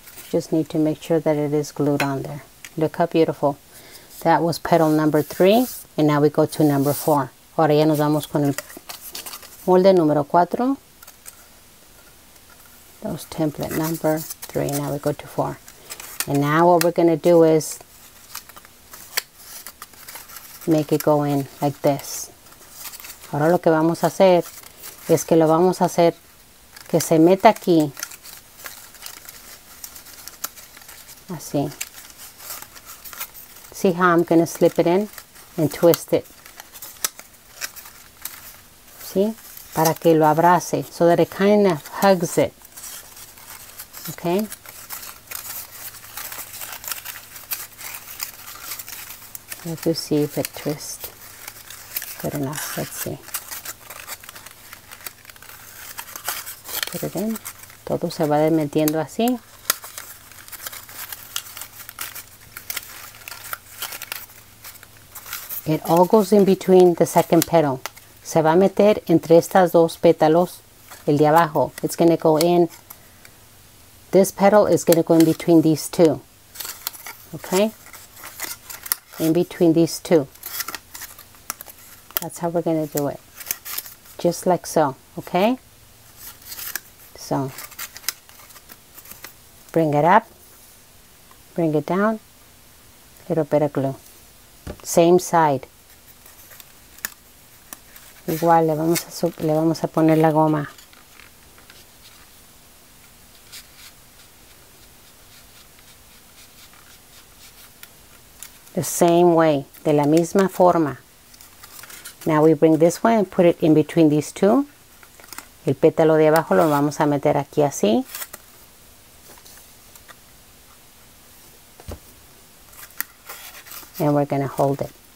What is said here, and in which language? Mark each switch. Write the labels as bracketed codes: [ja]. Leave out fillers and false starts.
[en] Just need to make sure that it is glued on there. Look how beautiful. That was petal number 3, and now we go to number 4. [es] Ahora ya nos vamos con el molde número 4. [en] That was template number 3, now we go to 4. And now what we're going to do is make it go in like this. [es] Ahora lo que vamos a hacer es que lo vamos a hacer que se meta aquí. Así. [en] See how I'm going to slip it in and twist it. [es] ¿Sí? Para que lo abrace. [en] So that it kind of hugs it. Okay? Let's just see if it twists. Good enough. Let's see. Put it in. [es] Todo se va metiendo así. [en] It all goes in between the second petal. [es] Se va a meter entre estas dos pétalos, el de abajo. [en] It's going to go in. This petal is going to go in between these two. Okay? In between these two. That's how we're going to do it. Just like so. Okay? So, bring it up. Bring it down. A little bit of glue. Same side. [es] Igual le vamos a poner la goma. [en] The same way. [es] De la misma forma. [en] Now we bring this one and put it in between these two. [es] El pétalo de abajo lo vamos a meter aquí así. [en] And and we're going to hold it.